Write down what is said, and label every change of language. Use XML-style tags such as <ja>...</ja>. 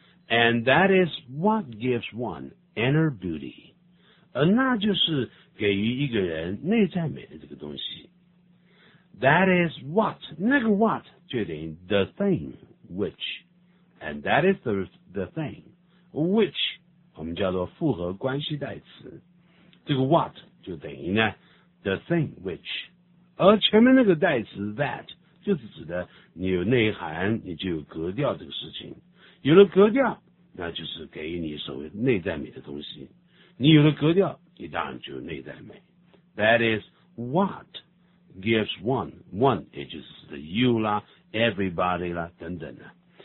<en>And that is what gives one inner beauty.</en> <zh>那就是给予一个人内在美的这个东西。</zh> <en>That is what,</en> <zh>那个 what 决定</zh> <en>the thing, which, and that is the thing, which,</en> <zh>我们叫做复合关系代词。这个 what 就等于呢</zh> <en>the thing, which,</en> <zh>而前面那个代词 that, 就是指的你有内涵你就有格调这个事情。有了格调那就是给予你所谓内在美的东西。你有了格调你当然就有内在美。</zh> <en>That is what,gives one, it just the you 啦 ,everybody</en> <zh>啦等等啦。</zh>